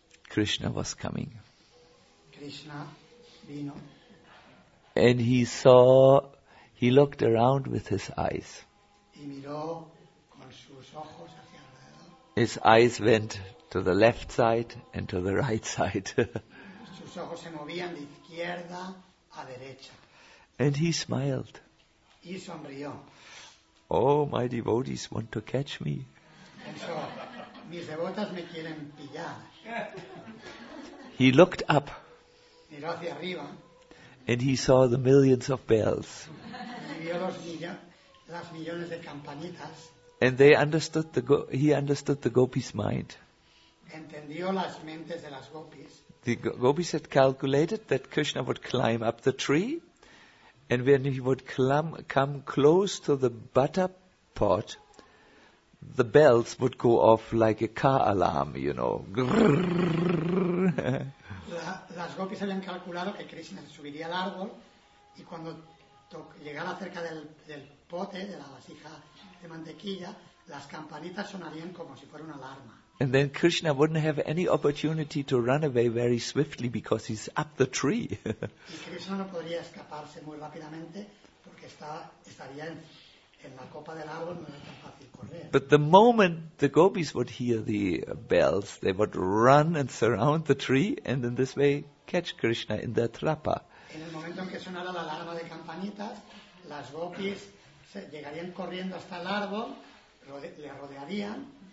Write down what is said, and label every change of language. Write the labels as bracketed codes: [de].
[en] Krishna was coming. [es] Krishna vino. [en] And he looked around with his eyes. [es] Y miró con sus ojos hacia alrededor. [en] His eyes went to the left side and to the right side. [es] Sus ojos se movían de izquierda a derecha. [en] And he smiled. [es] Y sonrió. [en] Oh, my devotees want to catch me. [es] Pensó, mis devotas me quieren pillar. [en] He looked up. [es] Miró hacia arriba. [en] And he saw the millions of bells. [es] Y vio las millones de campanitas. [en] And they understood he understood the gopis' mind. [es] Entendió las mentes de las gopis. [en] The gopis had calculated that Krishna would climb up the tree, and when he would come close to the butter pot, the bells would go off like a car alarm, you know. [es] Las gopis habían calculado que Krishna subiría al árbol y cuando llegara cerca del pote, de la vasija de mantequilla, las campanitas sonarían como si fuera una alarma. [en] And then Krishna wouldn't have any opportunity to run away very swiftly because he's up the tree. [es] Y Krishna no podría escaparse muy rápidamente porque estaría en la copa del árbol, no era tan fácil correr. [en] But the moment the gopis would hear the bells, they would run and surround the tree and in this way catch Krishna in their trapa. [es] En el momento en que sonara la alarma de campanitas, las gopis llegarían corriendo hasta el árbol, le rodearían.